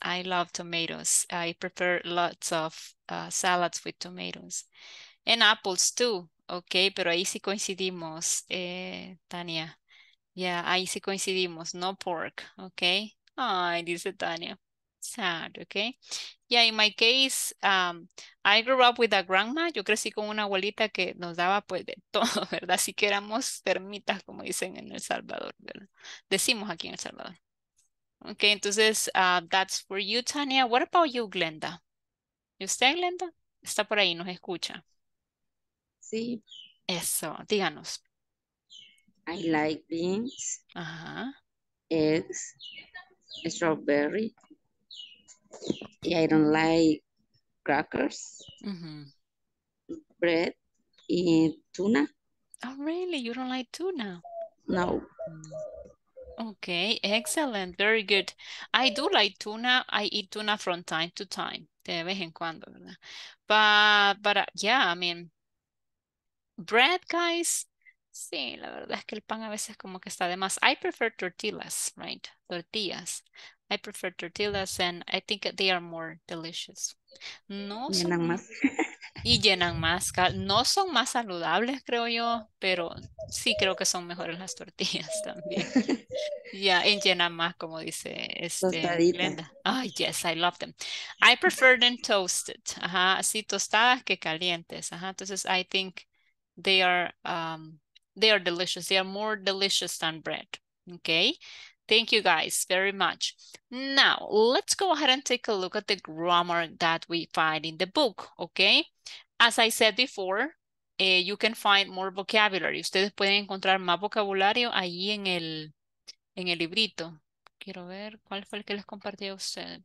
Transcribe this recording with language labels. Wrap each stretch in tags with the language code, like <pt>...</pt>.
<en>I love tomatoes. I prefer lots of salads with tomatoes, and apples too.</en> <es>Okay, pero ahí sí coincidimos, Tania.</es> <en>Yeah,</en> <es>ahí sí coincidimos.</es> <en>No pork, okay.</en> <es>Ay, dice Tania.</es> <en>Sad, okay. Yeah, in my case, I grew up with a grandma.</en> <es>Yo crecí con una abuelita que nos daba pues de todo, ¿verdad? Así que éramos termitas, como dicen en El Salvador, ¿verdad? Decimos aquí en El Salvador. Okay, entonces,</es> <en>that's for you,</en> <es>Tania.</es> <en>What about you,</en> <es>Glenda? ¿Y usted, Glenda? Está por ahí, nos escucha. Sí. Eso, díganos.</es> <en>I like beans. Ajá. Eggs. Strawberry. Y I don't like crackers. Mm-hmm. Bread. Y tuna. Oh, really? You don't like tuna? No. Okay, excellent. Very good. I do like tuna. I eat tuna from time to time.</en> <es>De vez en cuando, ¿verdad?</es> <en>Yeah, I mean... Bread, guys.</en> <es>Sí, la verdad es que el pan a veces como que está de más.</es> <en>I prefer tortillas, right? Tortillas. I prefer tortillas and I think they are more delicious. No</en> <es>son... y llenan más, no son más saludables, creo yo, pero sí creo que son mejores las tortillas también. Yeah, y llenan más, como dice Glenda.</es> <en>Oh, yes, I love them. I prefer them toasted.</en> <es>Ajá, así tostadas que calientes. Ajá, entonces</es> <en>I think they are delicious. They are more delicious than bread. Okay. Thank you guys very much. Now, let's go ahead and take a look at the grammar that we find in the book, okay? As I said before, you can find more vocabulary.</en> <es>Ustedes pueden encontrar más vocabulario ahí en el librito. Quiero ver cuál fue el que les compartí a ustedes.</es>